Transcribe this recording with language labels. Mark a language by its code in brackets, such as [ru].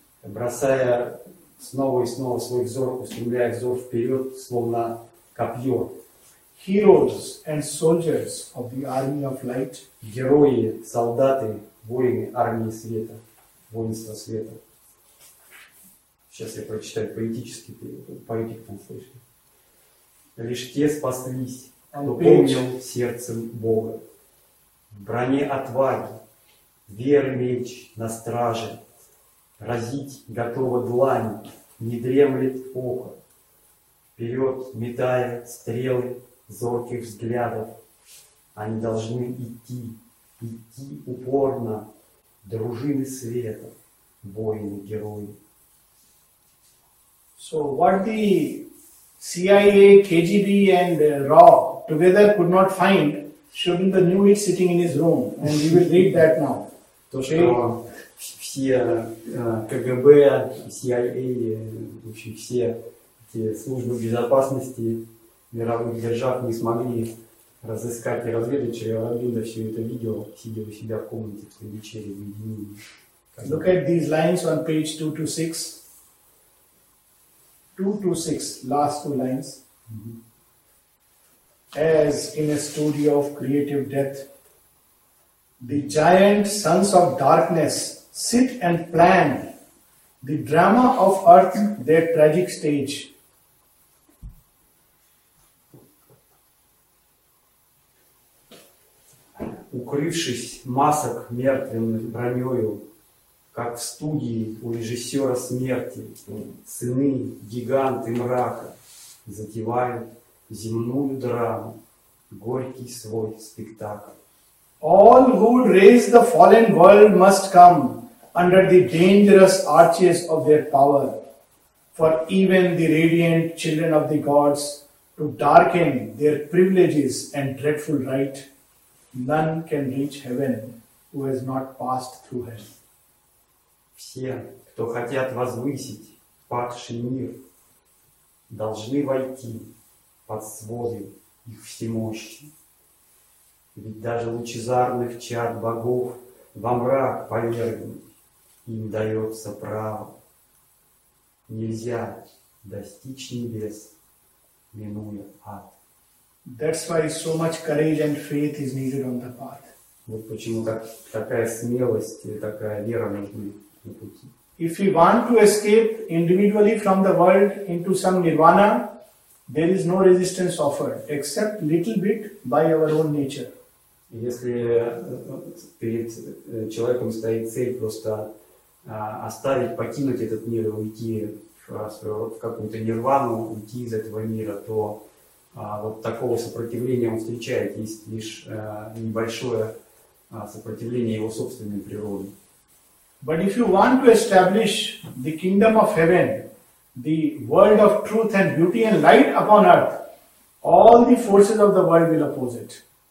[ru] Бросая снова и снова свой взор, устремляя взор вперед, словно копье. [en] Heroes and soldiers of the army of light. [ru] Герои, солдаты, воины армии света, воинства света. Сейчас я прочитаю поэтический перевод, поэтик там слышно. Лишь те спаслись, кто помнил сердцем Бога. В броне отваги, веры меч на страже, разить готова длань, не дремлет око. Вперед метая стрелы зорких взглядов, они должны идти, идти упорно, дружины света, воины-герои. [en] So what the CIA, KGB and RAW together could not find, shouldn't knew it sitting in his room, and we will read that now. [ru] То, что все КГБ, CIA, в общем, все эти службы безопасности мировых держав не смогли разыскать и разведать, что Равинда все это видел, сидя у себя в комнате в своей вечере в уединении. [en] Look at these lines on page 226. 226, last two lines. As in a studio of creative death, the giant sons of darkness sit and plan the drama of earth, their tragic stage. Mm-hmm. [ru] укрывшись масок мертвенных бронёю, как в студии у режиссера смерти, сыны, гиганты мрака, затевают земную драму, горький свой спектакль. [en] All who raise the fallen world must come under the dangerous arches of their power, for even the radiant children of the gods to darken their privileges and dreadful right. None can reach heaven who has not passed through hell. [ru] Все, кто хотят возвысить падший мир, должны войти под своды их всемощи. Ведь даже лучезарных чад богов во мрак повергнуть им дается право. Нельзя достичь небес, минуя ад. [en] That's why so much courage and faith is needed on the path. [ru] Вот почему такая смелость и такая вера нужны. [en] If we want to escape individually from the world into some nirvana, there is no resistance offered, except little bit by our own nature. [ru] Если перед человеком стоит цель просто оставить, покинуть этот мир и уйти в какую-то нирвану, уйти из этого мира, то вот такого сопротивления он встречает, есть лишь небольшое сопротивление его собственной природы. [en] But if you want to establish the kingdom of heaven, the world of truth and beauty and light upon earth, all the forces of the world will oppose it.